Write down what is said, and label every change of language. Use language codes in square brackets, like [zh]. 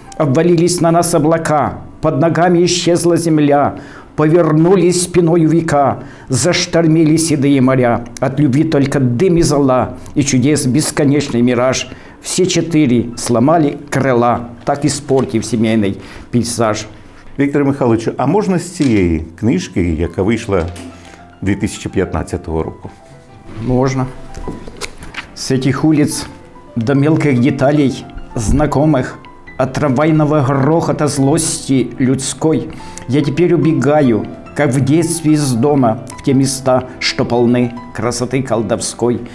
[ru] Обвалились на нас облака, под ногами исчезла земля. Повернулись спиною века, заштормили седые моря. От любви только дым и зола, и чудес бесконечный мираж. Все четыре сломали крыла, так испортив семейный пейзаж. [uk] Виктор Михайлович, [ru] а можно [uk] с цієї книжки, яка вийшла 2015 року? [ru] Можно. С этих улиц до мелких деталей знакомых, от трамвайного грохота злости людской, я теперь убегаю, как в детстве из дома, в те места, что полны красоты колдовской.